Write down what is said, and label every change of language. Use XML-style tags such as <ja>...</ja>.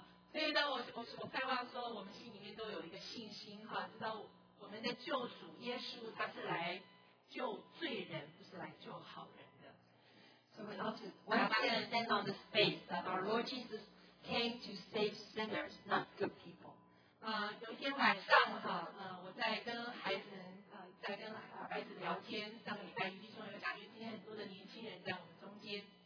<zh>所以呢，我盼望说，我们心里面都有一个信心哈，知道我们的救主耶稣他是来救罪人，不是来救好人的。</zh> <en>So we ought to stand on the faith that our Lord Jesus came to save sinners, not good people.</en> <zh>有一天晚上哈，我在跟孩子在跟孩子聊天，上个礼拜弟兄有讲，因为今天很多的年轻人在我们中间。</zh>